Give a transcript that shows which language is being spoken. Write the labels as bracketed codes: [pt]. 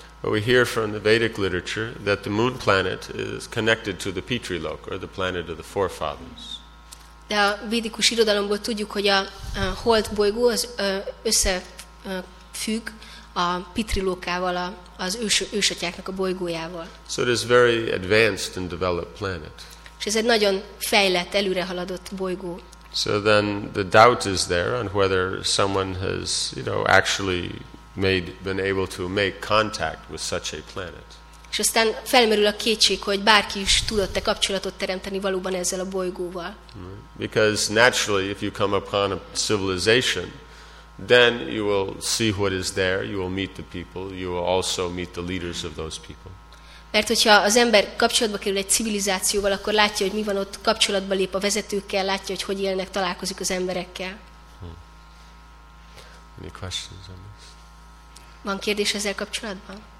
[en] But we hear from the Vedic literature that the moon planet is connected to the Pitri Lok, or the planet of the forefathers. [hu] De a védikus irodalomból tudjuk, hogy a hold bolygó az összefügg a Pitri Lokával, az ősatyáknak a bolygójával. [en] So it is very advanced and developed planet. [hu] És ez egy nagyon fejlett, előre haladott bolygó. [en] So then the doubt is there on whether someone has, you know, actually made, been able to make contact with such a planet. [hu] És aztán felmerül a kétség, hogy bárki is tudott-e kapcsolatot teremteni valóban ezzel a bolygóval. [en] Because naturally, if you come upon a civilization, then you will see what is there, you will meet the people, you will also meet the leaders of those people. [hu] Mert hogyha az ember kapcsolatba kerül egy civilizációval, akkor látja, hogy mi van ott, kapcsolatba lép a vezetőkkel, látja, hogy hogy élnek, találkozik az emberekkel. [en] Hmm. Any questions on this? [hu] Van kérdés ezzel kapcsolatban?